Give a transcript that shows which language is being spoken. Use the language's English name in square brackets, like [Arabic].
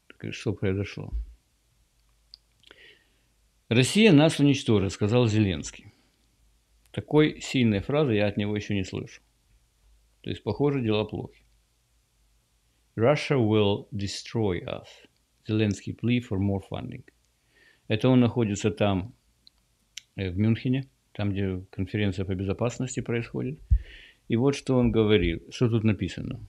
[Russian] Что произошло? Россия нас уничтожит, сказал Зеленский. Такой сильной фразы я от него еще не слышал. То есть, похоже, дела плохи. [English] Russia will destroy us. Зеленский plea for more funding. [Russian] Это он находится там, в Мюнхене, там, где конференция по безопасности происходит. И вот что он говорил, что тут написано.